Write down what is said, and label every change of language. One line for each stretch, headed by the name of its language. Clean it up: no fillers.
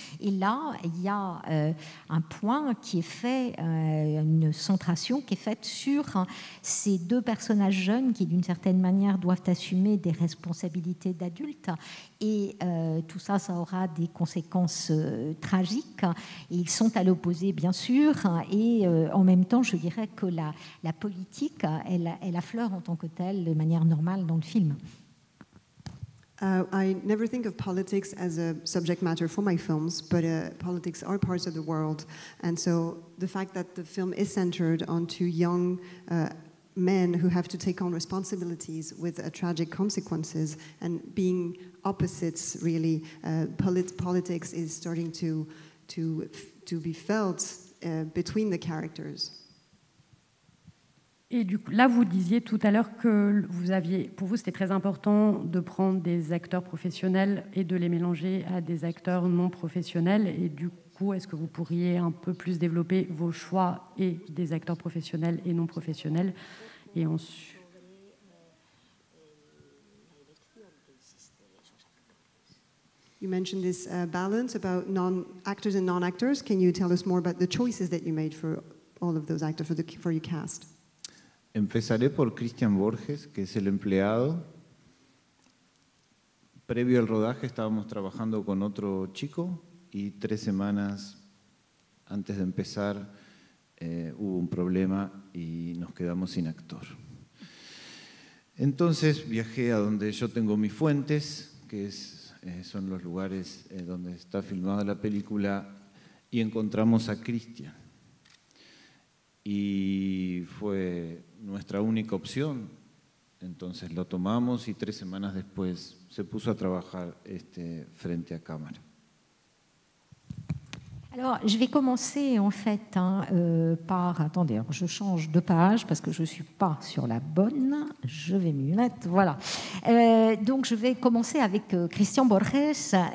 French: Et là, il y a un point qui est fait, une centration qui est faite sur ces deux personnages jeunes qui, d'une certaine manière, doivent assumer des responsabilités d'adultes. Et tout ça, ça aura des conséquences tragiques. Et ils sont à l'opposé, bien sûr. Et en même temps, je dirais que la politique, elle affleure en tant que telle de manière normale dans le film.
English: I never think of politics as a subject matter for my films, but politics are parts of the world. And so the fact that the film is centered on two young men who have to take on responsibilities with tragic consequences and being opposites, really, politics is starting to be felt between the characters.
French: Et du coup, là, vous disiez tout à l'heure que pour vous, c'était très important de prendre des acteurs professionnels et de les mélanger à des acteurs non professionnels. Et du coup, est-ce que vous pourriez un peu plus développer vos choix et des acteurs professionnels et non professionnels? Et ensuite.
English: You mentioned this balance about non-actors and non-actors. Can you tell us more about the choices that you made for all of those actors, for your cast?
Spanish: Empezaré por Cristian Borges, que es el empleado. Previo al rodaje estábamos trabajando con otro chico y tres semanas antes de empezar hubo un problema y nos quedamos sin actor. Entonces viajé a donde yo tengo mis fuentes, que es son los lugares donde está filmada la película, y encontramos a Cristian. Y fue nuestra única opción, entonces lo tomamos y tres semanas después se puso a trabajar frente a cámara.
French: Alors, je vais commencer en fait par. Attendez, je change de page parce que je ne suis pas sur la bonne. Je vais m'y mettre. Voilà. Donc, je vais commencer avec Cristian Borges.